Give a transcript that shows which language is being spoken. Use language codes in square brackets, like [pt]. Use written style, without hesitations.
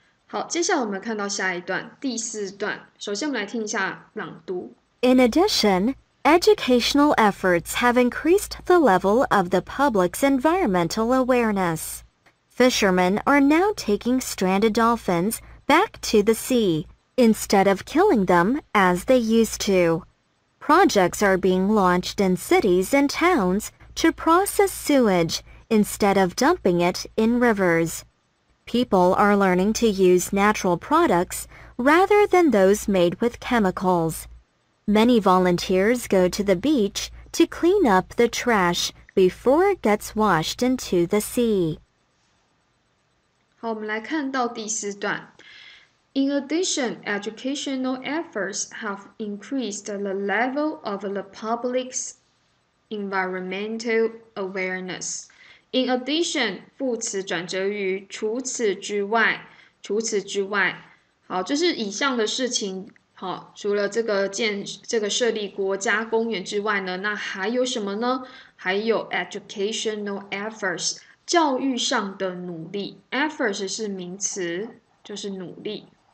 [zh] 好，接下来我们看到下一段，第四段。首先，我们来听一下朗读。 [en] In addition, educational efforts have increased the level of the public's environmental awareness. Fishermen are now taking stranded dolphins back to the sea instead of killing them as they used to. Projects are being launched in cities and towns to process sewage instead of dumping it in rivers. People are learning to use natural products rather than those made with chemicals. Many volunteers go to the beach to clean up the trash before it gets washed into the sea. [zh] 好，我们来看到第四段。 [en] In addition, educational efforts have increased the level of the public's environmental awareness. In addition, [zh] 副词转折于除此之外，除此之外，好，就是以上的事情，好，除了这个设立国家公园之外呢，那还有什么呢？还有 [en] educational efforts。 [zh] 教育上的努力，effort 是名词，就是努力。